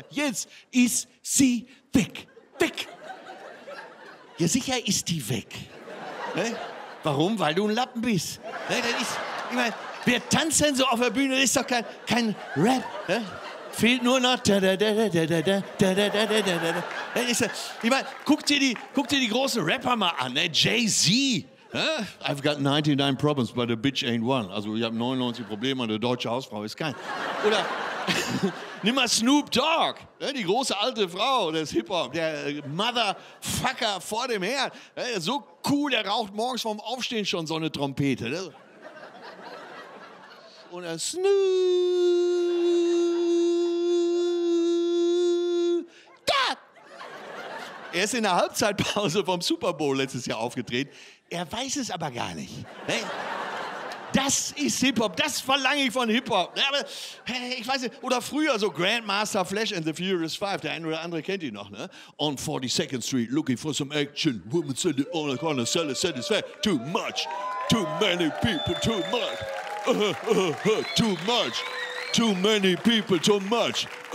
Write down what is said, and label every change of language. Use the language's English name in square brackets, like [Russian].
[German] Jetzt ist sie weg. Weg! Ja, sicher ist die weg. Warum? Weil du ein Lappen bist. Das ist, ich meine. Wer tanzt denn so auf der Bühne? Ist doch kein Rap. Ne? Fehlt nur noch. Ich meine, guck dir die großen Rapper mal an. Ne? Jay-Z. Ne? [English] I've got 99 problems, but a bitch ain't one. [German] Also, ich habe 99 Probleme und eine deutsche Hausfrau ist kein. Oder nimm mal Snoop Dogg. Ne? Die große alte Frau des Hip-Hop. Der Motherfucker vor dem Herd. Ne? So cool, der raucht morgens vorm Aufstehen schon so eine Trompete. Ne? Und er snoo. Da! Er ist in der Halbzeitpause vom Super Bowl letztes Jahr aufgetreten. Er weiß es aber gar nicht. Das ist Hip-Hop. Das verlange ich von Hip-Hop. Aber, ich weiß nicht. Oder früher so Grandmaster Flash and the Furious 5. Der eine oder andere kennt ihn noch. Ne? [English] On 42nd Street, looking for some action. Woman said it on the corner, sell it, satisfied. Too much. Too many people, too much. Too much, too many people, too much.